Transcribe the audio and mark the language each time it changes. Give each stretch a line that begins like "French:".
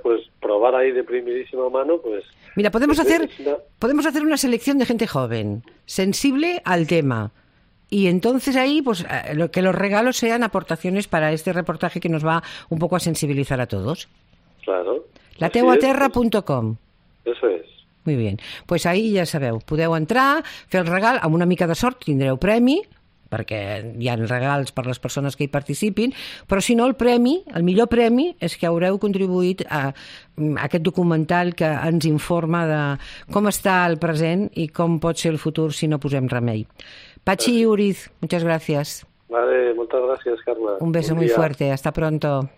Spanish: pues probar ahí de primerísima mano, pues... Mira, podemos hacer una selección de gente joven, sensible al tema. Y entonces ahí, pues, que los regalos sean aportaciones para este reportaje que nos va un poco a sensibilizar a todos. Claro. Lateuaterra.com. Eso es. Muy bien. Pues ahí
Catalan: ja sabeu, podeu entrar, fer el regal, amb una mica de sort tindreu premi, perquè hi ha regals per les persones que hi participin, però si no, el premi, el millor premi, és que haureu contribuït a aquest documental que ens informa de com està el present i com pot ser el futur si no posem remei.
Spanish: Pachi y Uriz, muchas gracias. Vale, muchas gracias, Carla. Un beso muy fuerte. Hasta pronto.